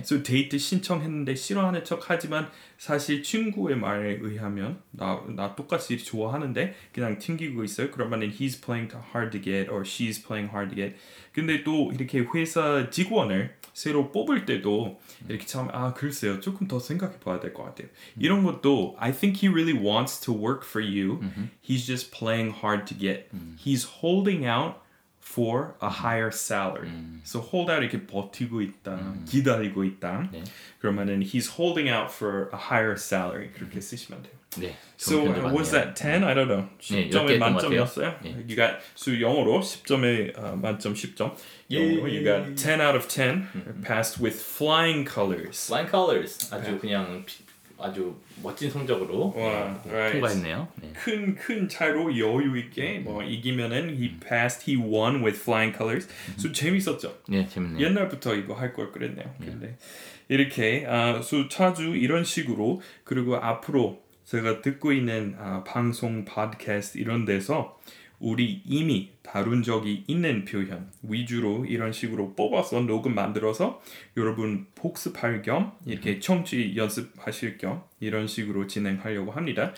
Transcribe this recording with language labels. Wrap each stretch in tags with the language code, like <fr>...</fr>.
<ko>So 데이트 신청했는데 싫어하는 척 하지만 사실 친구의 말에 의하면 나 똑같이 좋아하는데 그냥 튕기고 있어요. 그러면</ko> <en>he's playing hard to get or she's playing hard to get.</en> <ko>근데 또 이렇게 회사 직원을 새로 뽑을 때도 이렇게 참 아 글쎄요 조금 더 생각해 봐야 될 것 같아요. 이런 것도</ko> <en>I think he really wants to work for you. He's just playing hard to get. He's holding out for a higher salary.</en> <ko>So hold out 이렇게 버티고 있다, 기다리고 있다. 네. 그러면은</ko> <en>he's holding out for a higher salary.</en> <ko>그렇게 쓰시면 돼요. 네.</ko> <en>So was that 10?</en> <ko>네.</ko> <en>I don't know.</en> <ko>10점에 네, 만점이었어요? 네.</ko> <en>You got, so</en> <ko>영어로 10점에 만점 10점. 예. 영어로</ko> <en>you got 10 out of 10 passed with flying colors. Flying colors.</en> <ko>아주 네. 그냥 아주 멋진 성적으로 통과했네요. 큰 차이로 여유 있게 뭐 이기면은</ko> <en>he passed, he won with flying colors.</en> <ko>So 재밌었죠? 네, 재밌네요. 옛날부터 이거 할 걸 그랬네요. 근데 이렇게 so 자주 이런 식으로 그리고 앞으로 제가 듣고 있는 방송 팟캐스트 이런 데서 우리 이미 다룬 적이 있는 표현 위주로 이런 식으로 뽑아서 녹음 만들어서 여러분 복습할 겸 이렇게 청취 연습하실 겸 이런 식으로 진행하려고 합니다.</ko>